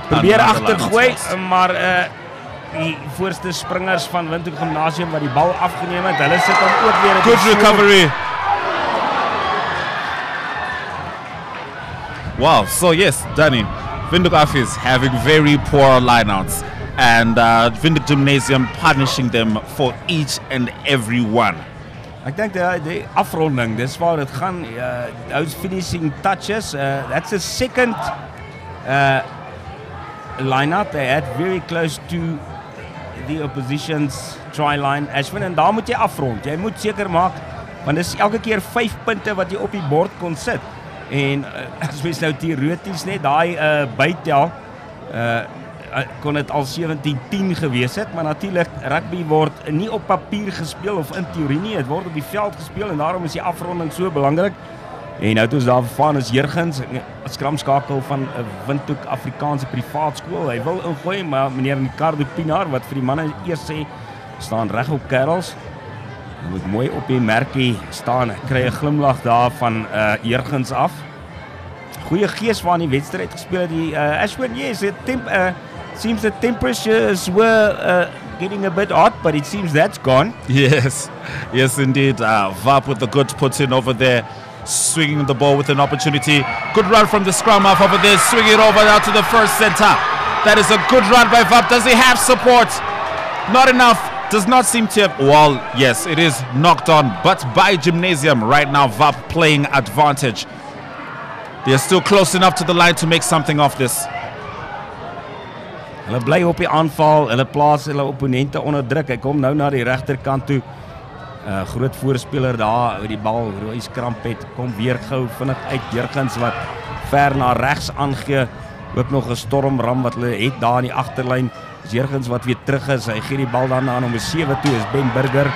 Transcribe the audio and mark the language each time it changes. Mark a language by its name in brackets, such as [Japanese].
[Afrikaans] Probeer achter gooi, maar die voorste springers van Windhoek Gymnasium wat die bal afgeneem het. Hulle sit dan ook weer in [English] good recovery. Wow, so yes, Danny, Windhoek Afis having very poor lineouts and Windhoek Gymnasium punishing them for each and every one. I think the afronding, that's where it gaan, those finishing touches, that's the second lineout they had very close to the opposition's try line. [Afrikaans] Ashwin, and daar moet jy afrond. Jy moet seker maak, want dis elke keer 5 punte wat jy op die bord kon sit. En as mens nou teoreties net daai bytel kon dit al 17-10 gewees het, maar natuurlik rugby word nie op papier gespeel of in teorie nie, dit word op die veld gespeel en daarom is die afronding so belangrik. En nou toe is daar van is Jurgens, skramskakel van Windhoek Afrikaanse privaatskool. Hy wil ingooi, maar meneer Ricardo Pinaar wat vir die manne eers sê staan reg op kerels. Moet mooi op die merkie staan, kry 'n glimlag daar van Jurgens af. Goeie gees waarin die wedstrijd gespeel het. [English] Ashwin, yes, seems the temperatures were getting a bit hot, but it seems that's gone. Yes, yes indeed. Vap with the good puts in over there, swinging the ball with an opportunity. Good run from the scrum half over there, swinging it over now to the first center. That is a good run by Vap. Does he have support? Not enough. Does not seem to have, well, yes, it is knocked on, but by Gymnasium right now, Vap playing advantage. They are still close enough to the line to make something of this. [Afrikaans] Hulle bly op die aanval, hulle plaas hulle opponente onder druk. Hy kom nou na die regterkant toe. Groot voorspeler daar, oor die bal, Roy Skramp het, kom weer gauw vinnig uit, Jurgens wat ver na rechts aangee. Ook nog 'n stormram wat hulle het daar in die agterlyn. Jurgens wat weer terug is, hy gee die bal dan aan nommer 7 toe, is Ben Burger.